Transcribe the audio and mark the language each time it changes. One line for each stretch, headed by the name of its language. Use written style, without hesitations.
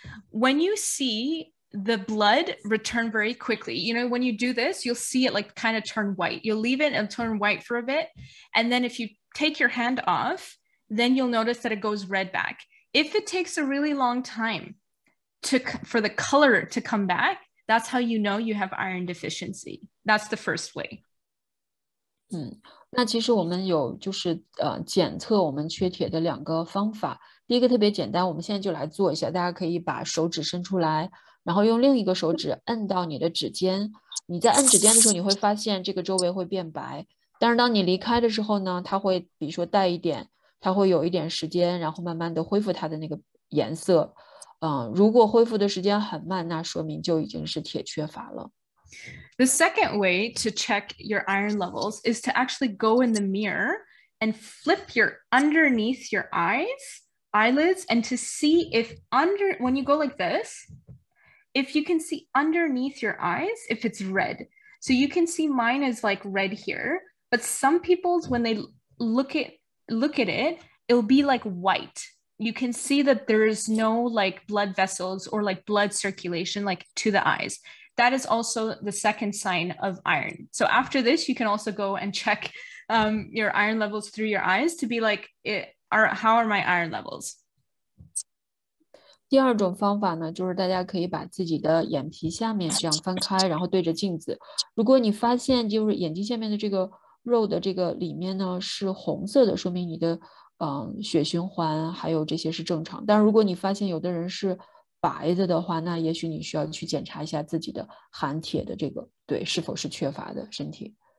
English: When you see the blood return very quickly, you know, when you do this, you'll see it like kind of turn white. You'll leave it and turn white for a bit. And then if you take your hand off, then you'll notice that it goes red back. If it takes a really long time for the color to come back, that's how you know you have iron deficiency. That's the first way.
Chinese: 那其实我们有就是检测我们缺铁的两个方法。第一个特别简单，我们现在就来做一下。大家可以把手指伸出来，然后用另一个手指摁到你的指尖。你在摁指尖的时候，你会发现这个周围会变白。但是当你离开的时候呢，它会比如说带一点，它会有一点时间，然后慢慢的恢复它的那个颜色。如果恢复的时间很慢，那说明就已经是铁缺乏了。
English: The second way to check your iron levels is to actually go in the mirror and flip your underneath your eyelids, and to see if under, when you go like this, if you can see underneath your eyes, if it's red. So you can see mine is like red here, but some people's when they look at it, it'll be like white. You can see that there is no like blood vessels or like blood circulation like to the eyes. That is also the second sign of iron. So after this, you can also go and check your iron levels through your eyes to be like, how are my iron levels?
Chinese: 第二种方法呢，就是大家可以把自己的眼皮下面这样翻开，然后对着镜子。如果你发现就是眼睛下面的这个肉的这个里面呢是红色的，说明你的血循环还有这些是正常。但如果你发现有的人是白的的话，那也许你需要去检查一下自己的含铁的这个对是否是缺乏的身体。